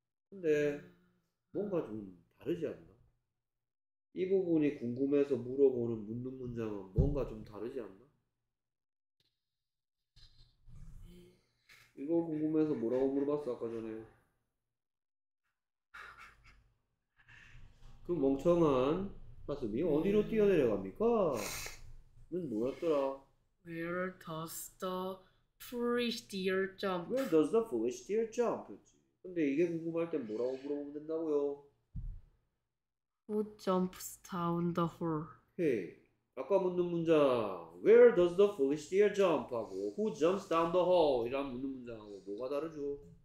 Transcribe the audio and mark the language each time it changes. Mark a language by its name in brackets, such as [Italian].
[Korean] 근데 뭔가 좀 다르지 않나? 이 부분이 궁금해서 물어보는 묻는 문장은 뭔가 좀 다르지 않나? 이거 궁금해서 뭐라고 물어봤어 아까 전에? 그 멍청한 사슴이 어디로 뛰어내려갑니까? 는 뭐였더라? [English] Where does the foolish deer jump? Where does the foolish deer jump? [Korean] 근데 이게 궁금할 때 뭐라고 물어보면 된다고요? [English] Who jumps down the hole? [Korean] 헤이, 아까 묻는 문장 [English] Where does the foolish deer jump? [Korean] 하고 [English] Who jumps down the hole? [Korean] 이란 묻는 문장하고 뭐가 다르죠?